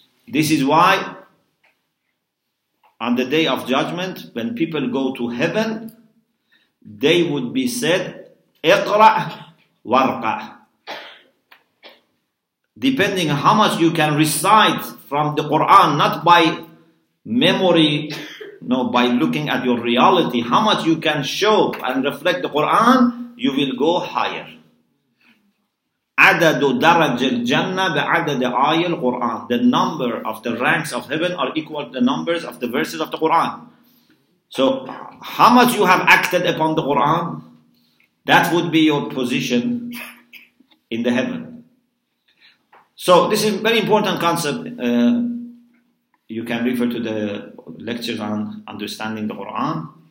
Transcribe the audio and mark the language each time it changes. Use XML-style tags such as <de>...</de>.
<en>This is why on the day of judgment, when people go to heaven, they would be said,</en> <ar>اقرأ وارقع.</ar> <en>depending on how much you can recite from the Quran, not by memory, no, by looking at your reality, how much you can show and reflect the Quran, you will go higher.</en> <ar>عدد درج الجنة بعدد آية القرآن.</ar> <en>The number of the ranks of heaven are equal to the numbers of the verses of the Quran. So how much you have acted upon the Quran, that would be your position in the heaven. So this is a very important concept. You can refer to the lectures on understanding the Quran.</en>